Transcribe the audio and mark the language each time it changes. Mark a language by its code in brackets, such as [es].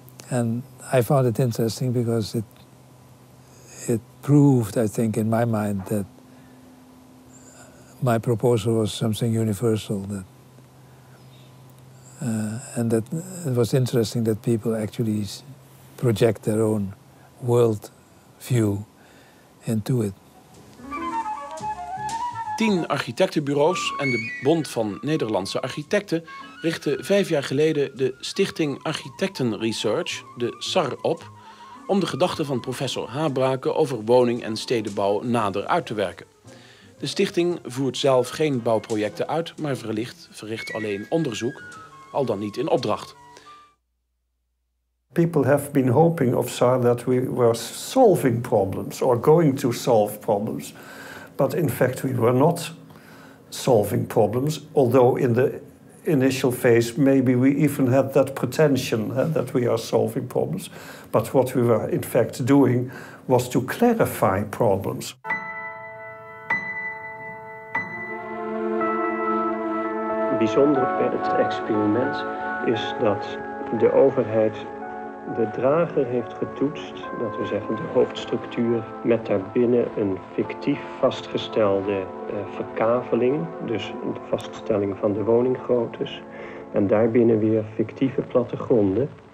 [en] And I found it interesting because it proved, I think, in my mind that my proposal was something universal. And that it was interesting that people actually project their own world view into it. [nl] 10 architectenbureaus en de Bond van Nederlandse Architecten richtte 5 jaar geleden de Stichting Architecten Research, de SAR, op om de gedachten van professor Habraken over woning- en stedenbouw nader uit te werken. De stichting voert zelf geen bouwprojecten uit, maar verricht alleen onderzoek, al dan niet in opdracht. [en] People have been hoping of SAR that we were solving problems or going to solve problems. But in fact we were not solving problems, although in the initial phase, maybe we even had that pretension that we are solving problems. But what we were in fact doing was to clarify problems. [nl] Bijzonder bij het experiment is dat de overheid de drager heeft getoetst, dat we zeggen de hoofdstructuur, met daarbinnen een fictief vastgestelde verkaveling, dus de vaststelling van de woninggroottes, en daarbinnen weer fictieve plattegronden.